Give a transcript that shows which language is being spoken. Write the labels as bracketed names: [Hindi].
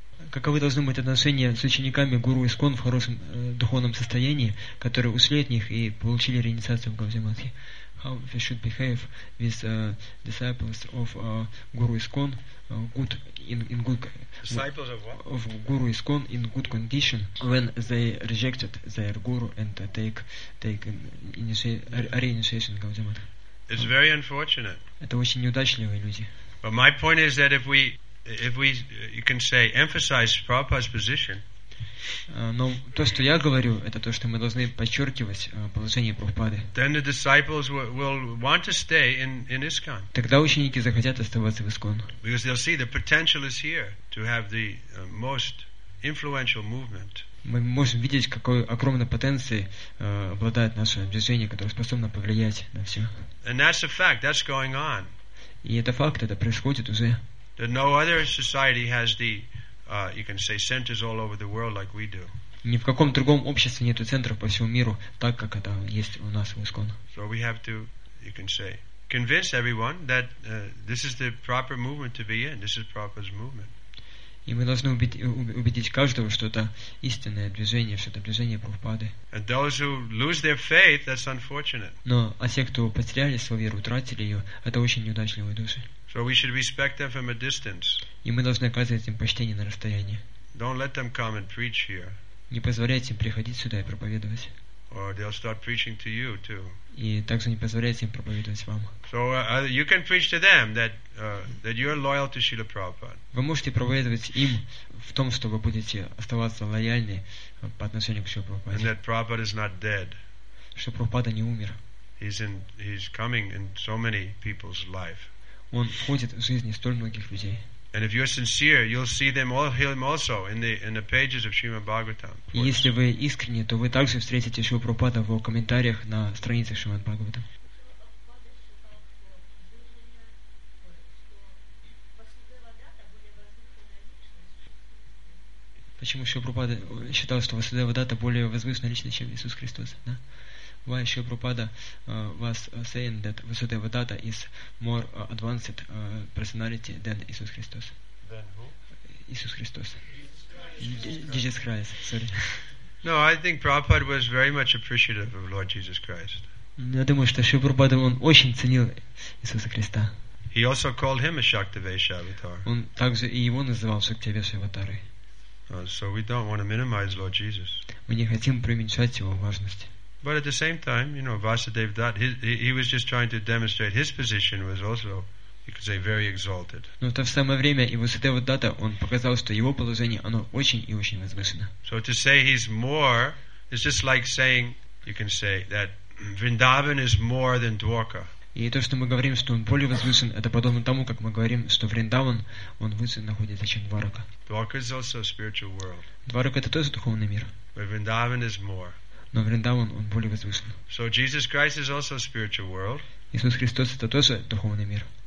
[Russian] Каковы должны быть отношения с учениками Гуру Искон в хорошем духовном состоянии, которые ушли от них и получили реинициацию в Гаудиаматхе? [English] How we should behave with disciples of Guru Iskon good in good disciples of what? Of Guru Iskon in good condition when they rejected their guru and take reinitiation in Gaudiamatha. It's very unfortunate. [Russian] Это очень неудачливые люди. [English] But my point is that if we you can say emphasize Prabhupada's position. [Russian] Но то, что я говорю, это то, что мы должны подчеркивать положение Прабхупады. [English] Then the disciples will want to stay in ISKCON. [Russian] Тогда ученики захотят оставаться в ИСКОН. [English] Because they'll see the potential is here to have the most influential movement. [Russian] Мы можем видеть, какой огромной потенцией обладает наше движение, которое способно повлиять на все. [English] And that's a fact. That's going on. [Russian] И это факт, это происходит уже. [English] That no other society has the you can say centers all over the world like we do. [Russian] Ни в каком другом обществе нету центров по всему миру, так как это есть у нас в ИСКОН. [English] So we have to, you can say, convince everyone that this is the proper movement to be in. This is Prabhupada's movement. [Russian] И мы должны убедить каждого, что это истинное движение, что это движение Прабхупады. [English] And those who lose their faith, that's unfortunate. [Russian] Но а те, кто потеряли свою веру, утратили ее, это очень неудачливые души. [English] So we should respect them from a distance. [Russian] И мы должны оказывать им почтение на расстоянии. [English] Don't let them come and preach here. [Russian] Не позволяйте им приходить сюда и проповедовать. [English] Or they'll start preaching to you too. [Russian] И также не позволяйте им проповедовать вам. [English] So you can preach to them that you're loyal to Srila Prabhupada. [Russian] Вы можете проповедовать им в том, что вы будете оставаться лояльны по отношению к Шриле Прабхупаде. [English] And that Prabhupada is not dead. [Russian] Что Прабхупада не умер. [English] He's coming in so many people's life. [Russian] Он входит в жизни столь многих людей. [English] And if you're sincere, you'll see them all him also in the pages of Srimad Bhagavatam. [Russian] И если вы искренне, то вы также встретите Шрилу Прабхупаду в комментариях на страницах Шримад Бхагаватам. Почему Шрила Прабхупада считал, что Васудева Дата более возвышенная личность, чем Иисус Христос? Да? [English] Why Srila Prabhupada was saying that Vasudeva Datta is more advanced personality than Jesus Christ? Than who? Jesus Christ. Jesus Christ. Sorry. No, I think Prabhupada was very much appreciative of Lord Jesus Christ. [Russian] Я думаю, что Шрила Прабхупада он очень ценил Иисуса Христа. [English] He also called him a Shaktivesha avatar. [Russian] Он также и его называл Шактивеша аватарой. [English] So we don't want to minimize Lord Jesus. [Russian] Мы не хотим преуменьшать его важность. [English] But at the same time, you know, Vasudeva Datta, he was just trying to demonstrate his position was also, you could say, very exalted. [Russian] Но в то же самое время и Vasudeva Datta он показал, что его положение оно очень и очень возвышено. [English] So to say he's more is just like saying, you can say, that Vrindavan is more than Dwarka. [Russian] И то, что мы говорим, что он более возвышен, это подобно тому, как мы говорим, что Вриндаван он выше находится, чем Дварака. [English] Dwarka is also a spiritual world. [Russian] Дварака это тоже духовный мир. [English] But Vrindavan is more. [Russian] Но Вриндаван, он более возвышен. [English] So Jesus Christ is also a spiritual world. [Russian] Иисус Христос это тоже духовный мир.